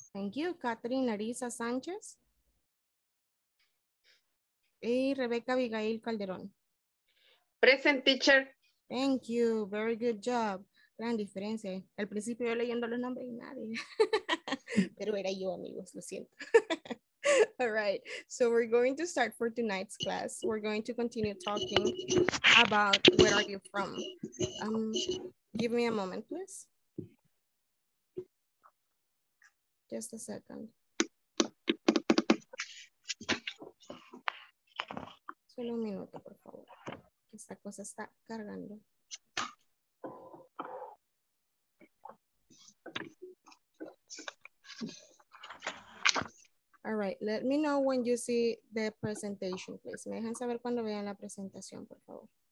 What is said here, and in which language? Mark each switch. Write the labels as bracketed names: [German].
[English] Thank you. Katherine Larisa Sánchez. [Spanish] Y Rebeca Abigail Calderón. [English] Present, teacher. Thank you. Very good job. [Spanish] Gran diferencia. Al principio yo leyendo los nombres y nadie. Pero era yo, amigos. Lo siento. All right. [English] So we're going to start for tonight's class. We're going to continue talking about where are you from. Give me a moment, please. Just a second. [Spanish] Solo un minuto, por favor. Esta cosa está cargando. [English] All right, let me know when you see the presentation, please. [Spanish] Me dejan saber cuando vean la presentación, por favor.